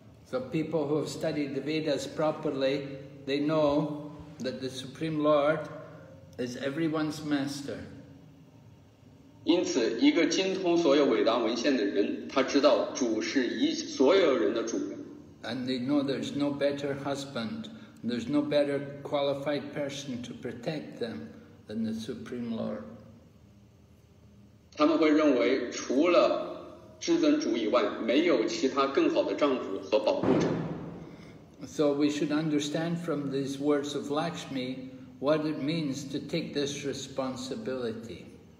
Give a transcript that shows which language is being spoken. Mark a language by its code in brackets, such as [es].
[en] So people who have studied the Vedas properly, they know that the Supreme Lord is everyone's master. [zh] 因此一个精通所有伟大文献的人他知道主是所有人的主人。 And [en] they know there's no better husband, there's no better qualified person to protect them than the Supreme Lord. [zh] 他们会认为除了至尊主以外没有其他更好的丈夫和保护者。So [en] we should understand from these words of Lakshmi what it means to take this responsibility.